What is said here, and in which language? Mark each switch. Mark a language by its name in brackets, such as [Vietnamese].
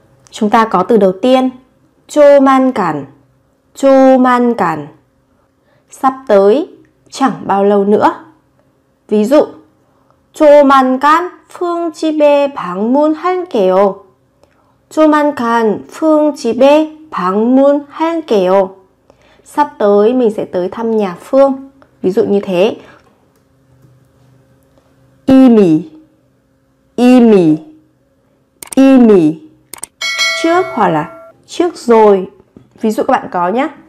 [Vietnamese] Chúng ta có từ đầu tiên, 조만간, 조만간, sắp tới, chẳng bao lâu nữa. [Korean] Ví dụ, 조만간 Phương 집에 방문할게요. 조만간 Phương 집에 방문할게요. [Vietnamese] Sắp tới mình sẽ tới thăm nhà Phương. Ví dụ như thế. [Korean] 이미, 이미, 이미. [Vietnamese] Trước hoặc là trước rồi. Ví dụ các bạn có nhé.